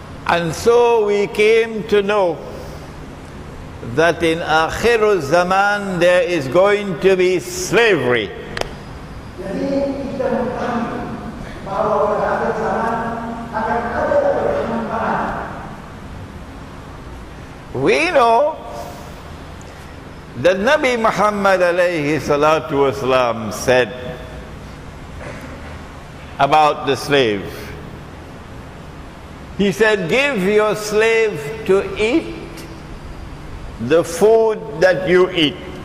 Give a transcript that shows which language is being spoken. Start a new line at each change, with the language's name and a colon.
English: And so we came to know that in akhiru zaman there is going to be slavery.
Malay: Jadi kita mengetahui bahwa pada akhir zaman
English: we know that Nabi Muhammad alayhi salatu wasalam said about the slave. He said, give your slave to eat the food that you eat.